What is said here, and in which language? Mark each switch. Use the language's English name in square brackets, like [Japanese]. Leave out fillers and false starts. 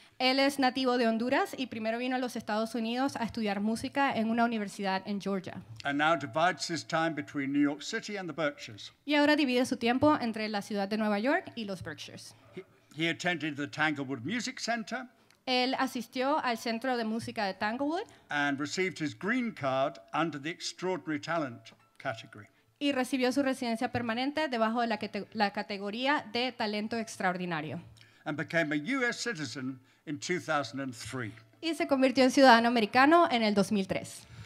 [Spanish] Él es nativo de Honduras y primero vino a los Estados Unidos a estudiar música en una universidad en Georgia. [English] And now divides his time between New York City and the Berkshires. [Spanish] Y ahora divide su tiempo entre la ciudad de Nueva York y los Berkshires. [English] He attended the Tanglewood Music Center. [Spanish] Él asistió al Centro de Música de Tanglewood [English] and received his green card under the extraordinary talent category. [Spanish] Y recibió su residencia permanente debajo de la categoría de talento extraordinario. [English] And became a US citizen in 2003. [Spanish] Y se convirtió en ciudadano americano en el 2003.